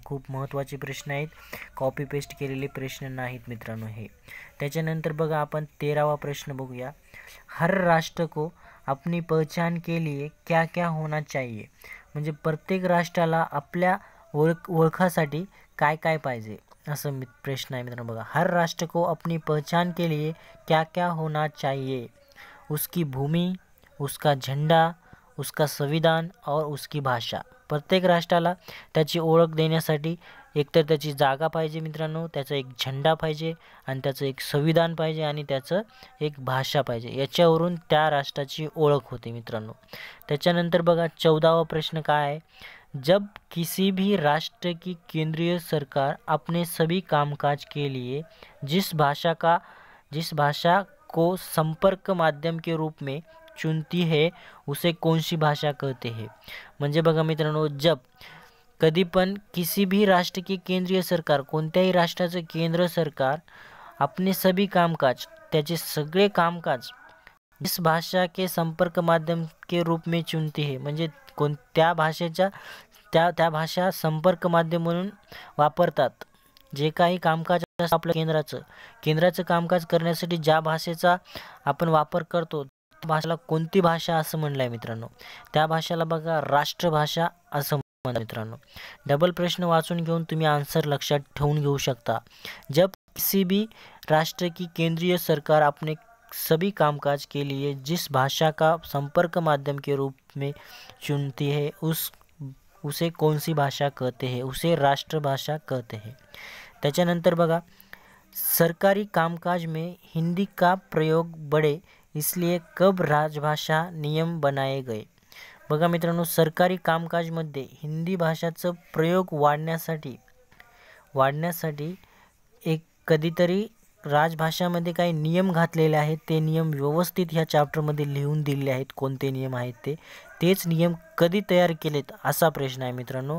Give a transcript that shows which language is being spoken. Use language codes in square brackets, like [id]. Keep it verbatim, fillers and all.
[mr] खूप महत्त्वाचे प्रश्न आहेत, कॉपी पेस्ट केलेले प्रश्न नाहीत मित्रांनो हे. त्याच्यानंतर बघा आपण तेरावा प्रश्न बघूया, [hi] हर राष्ट्र को अपनी पहचान के लिए क्या क्या होना चाहिए. [mr] म्हणजे प्रत्येक राष्ट्राला आपल्या ओळख ओळखासाठी काय काय पाहिजे असं मित- प्रश्न आहे मित्रांनो. [hi] बघा हर राष्ट्र को अपनी पहचान के लिए क्या क्या होना चाहिए, उसकी भूमि, उसका झंडा, उसका संविधान और उसकी भाषा. [mr] प्रत्येक राष्ट्राला त्याची ओळख देण्यासाठी एकतर त्याची जागा पाहिजे मित्रांनो, त्याचा एक झेंडा पाहिजे आणि त्याचं एक संविधान पाहिजे आणि त्याचं एक भाषा पाहिजे, याच्यावरून त्या राष्ट्राची ओळख होते मित्रांनो. त्याच्यानंतर बघा चौदावा प्रश्न काय आहे, [hi] जब किसी भी राष्ट्र की केंद्रीय सरकार अपने सभी कामकाज के लिए जिस भाषा का जिस भाषा को संपर्क माध्यम के रूप में चुनती है उसे कौन सी भाषा कहते हैं. [mr] म्हणजे बघा मित्रांनो, जब कधी पण [hi] किसी भी राष्ट्र की केंद्रीय सरकार, [mr] कोणत्याही राष्ट्राचं केंद्र सरकार [hi] अपने सभी कामकाज, [mr] त्याचे सगळे कामकाज [hi] इस भाषा के संपर्क माध्यम के रूप में चुनती है. [mr] म्हणजे कोण त्या भाषेच्या त्या त्या भाषा संपर्क माध्यम म्हणून वापरतात. जे काही कामकाज असतं आपल्या केंद्राचं केंद्राचं कामकाज करण्यासाठी ज्या भाषेचा आपण वापर करतो त्या भाषेला कोणती भाषा असं म्हणलं आहे मित्रांनो. त्या भाषेला बघा राष्ट्रभाषा असं म्हणतात मित्रांनो. डबल प्रश्न वाचून घेऊन तुम्ही आन्सर लक्षात ठेवून घेऊ शकता. [hi] जब किसी भी राष्ट्र की केंद्रीय सरकार अपने सभी कामकाज के लिए जिस भाषा का संपर्क माध्यम के रूप में चुनती है उस उसे कौन सी भाषा कहते हैं, उसे राष्ट्रभाषा कहते हैं. [mr] त्याच्यानंतर बघा, [hi] सरकारी कामकाज में हिंदी का प्रयोग बढ़े इसलिए कब राजभाषा नियम बनाए गए. [mr] बघा मित्रांनो, सरकारी कामकाजमध्ये हिंदी भाषाचं प्रयोग वाढण्यासाठी वाढण्यासाठी एक कधीतरी राजभाषामध्ये काही नियम घातलेले आहेत. ते नियम व्यवस्थित ह्या चॅप्टरमध्ये लिहून दिलेले आहेत. कोणते नियम आहेत ते तेच नियम कधी तयार केलेत असा प्रश्न आहे मित्रांनो.